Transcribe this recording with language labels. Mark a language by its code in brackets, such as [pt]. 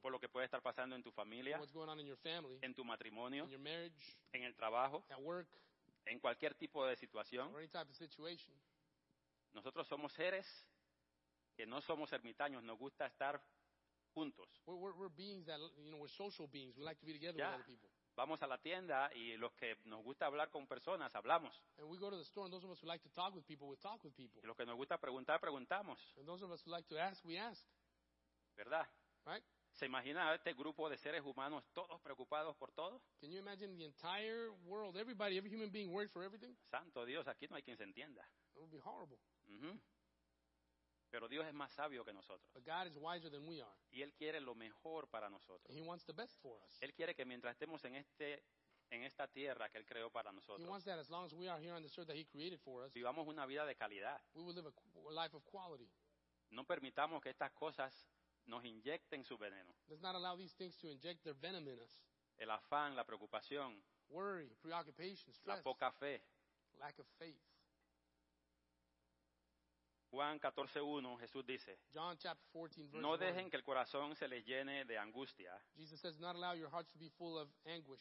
[es] por lo que puede estar pasando en tu familia, [en] what's going on in your family, [es] en tu matrimonio, [en] in your marriage, [es] en el trabajo, [en] at work, [es] en cualquier tipo de situación. [en] Or any type of situation. [es] Nosotros somos seres que no somos ermitaños, nos gusta estar juntos. [en] We're beings that, you know, we're social beings. We like to be together yeah. With other people. [es] Vamos a la tienda y los que nos gusta hablar con personas, hablamos. [en] And we go to the store and those of us who like to talk with people, we talk with people. [es] Y los que nos gusta preguntar, preguntamos. [en] And those of us who like to ask, we ask. [es] ¿Verdad? [en] Right? [es] ¿Se imagina este grupo de seres humanos todos preocupados por todo? [en] Can you imagine the entire world, everybody, every human being worried for everything? [es] Santo Dios, aquí no hay quien se entienda. [en] It would be horrible. [es] Mm-hmm. Pero Dios es más sabio que nosotros. [en] But God is wiser than we are. [es] Y Él quiere lo mejor para nosotros. [en] He wants the best for us. [es] Él quiere que mientras estemos en este en esta tierra que Él creó para nosotros, [en] He wants that as long as we are here on this earth that He created for us, [es] vivamos una vida de calidad. [en] We will live a life of quality. [es] No permitamos que estas cosas nos inyecten su veneno. [en] Let's not allow these things to inject their venom in us. [es] El afán, la preocupación. [en] Worry, preoccupation, stress. [es] La poca fe. [en] Lack of faith. [es] Juan 14:1, Jesús dice, [en] John chapter 14, verse [es] no dejen que el corazón se les llene de angustia. [en] Jesus says, not allow your hearts to be full of anguish.